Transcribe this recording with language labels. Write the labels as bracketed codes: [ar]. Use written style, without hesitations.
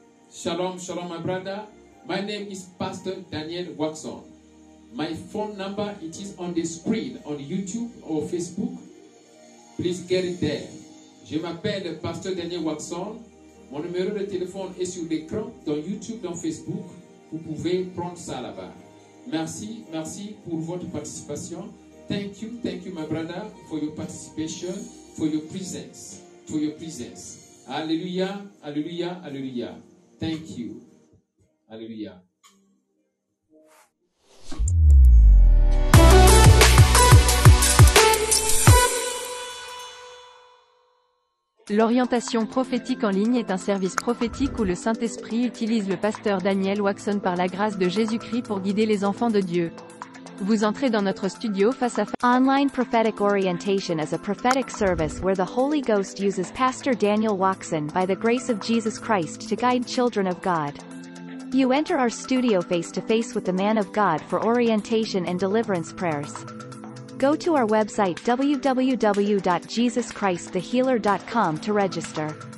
[en] Shalom, shalom, my brother. My name is Pastor Daniel Watson. My phone number, it is on the screen, on YouTube or Facebook. Please get it there. [fr] Je m'appelle Pasteur Daniel Watson. Mon numéro de téléphone est sur l'écran, dans YouTube, dans Facebook. Vous pouvez prendre ça là-bas. Merci, merci pour votre participation. [en] Thank you, my brother, for your participation, for your presence, for your presence. [fr] Alléluia, alléluia, alléluia. [en] Thank you. [fr] Alléluia. L'orientation prophétique en ligne est un service prophétique où le Saint-Esprit utilise le pasteur Daniel Watson par la grâce de Jésus-Christ pour guider les enfants de Dieu. Vous entrez dans notre studio face à face. [en] Online prophetic orientation is a prophetic service where the Holy Ghost uses Pastor Daniel Watson by the grace of Jesus Christ to guide children of God. You enter our studio face to face with the man of God for orientation and deliverance prayers. Go to our website www.jesuschristthehealer.com to register.